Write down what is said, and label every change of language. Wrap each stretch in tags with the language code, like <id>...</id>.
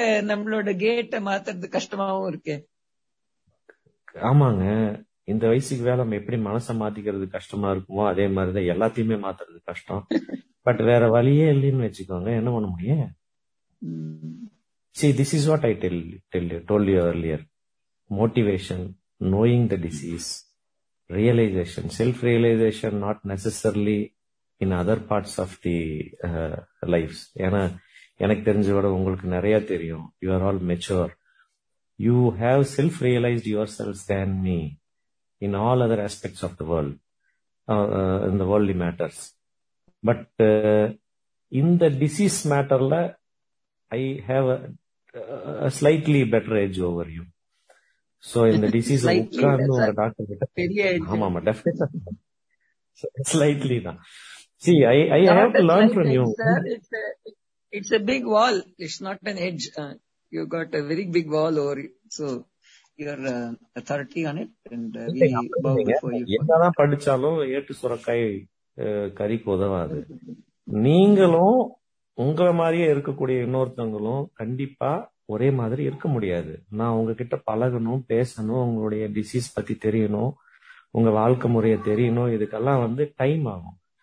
<ta>நம்மளோட கேட்டை மாத்துறது கஷ்டமாவும் இருக்கு. ஆமாங்க, இந்த வயசுக்கு வேலை நம்ம எப்படி மனசை மாத்திக்கிறது கஷ்டமா இருக்குமோ அதே மாதிரிதான் எல்லாத்தையுமே மாத்துறது கஷ்டம். பட் வேற வழியே இல்லைன்னு வச்சுக்கோங்க, என்ன பண்ண முடியும்?</ta> <en>See, this is what I told you earlier. Motivation, knowing the disease, realization, self-realization, not necessarily in other parts of the lives.</en> <ta>எனக்கு தெரிஞ்சவோட உங்களுக்கு நிறைய தெரியும்.</ta> <en>You are all mature. You have self-realized yourselves than me in all other aspects of the world, in the worldly matters. But in the disease matter, I have a slightly better edge over you. So in the disease, slightly. See, I have to learn from you. It's a big wall. It's not an edge. You've got a very big wall over you. So your authority on it. And we bow before you.</en> <ta>என்னதான் படிச்சாலும் ஏட்டு சுரக்காய் கறிக்கு உதவாது. நீங்களும் உங்களை மாதிரியே இருக்கக்கூடிய இன்னொருத்தவங்களும் கண்டிப்பா ஒரே மாதிரி இருக்க முடியாது. நான் உங்ககிட்ட பழகணும், பேசணும், உங்களுடைய டிசீஸ் பத்தி தெரியணும், உங்க வாழ்க்கை முறைய தெரியணும், இதுக்கெல்லாம் வந்து டைம் ஆகும்.</ta>